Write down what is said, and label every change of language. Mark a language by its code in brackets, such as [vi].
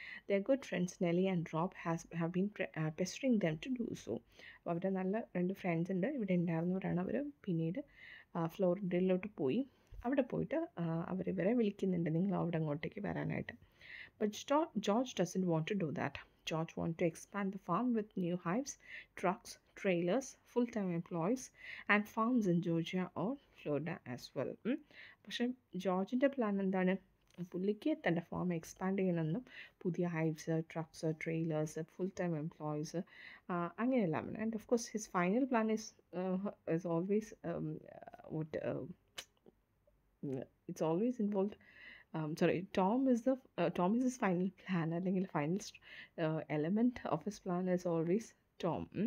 [en] The good friends Nelly and Rob have been pressuring them to do so. [ml] അവരുടെ നല്ല രണ്ട് friends ഉണ്ട് ഇവിടെ ഉണ്ടായിരുന്നവരാണ്, അവർ പിന്നീട് ഫ്ലോറിഡയിലോട്ട് പോയി. അവിടെ പോയിട്ട് അവരിവരെ വിളിക്കുന്നുണ്ട് നിങ്ങൾ അവിടെ അങ്ങോട്ടേക്ക് വരാനായിട്ട്. [en] But George doesn't want to do that. George wants to expand the farm with new hives, trucks, trailers, full-time employees and farms in Georgia or Florida as well. [ml] പക്ഷെ ജോർജിൻ്റെ പ്ലാൻ എന്താണ്, പുള്ളിക്ക് തൻ്റെ ഫാം എക്സ്പാൻഡ് ചെയ്യണമെന്നും പുതിയ hives, trucks, trailers, full time employees അങ്ങനെയെല്ലാം വേണം. [en] and of course his final plan is always what it's always involve sorry Tom is his final plan, [ml] അല്ലെങ്കിൽ [en] Final element of his plan is always Tom.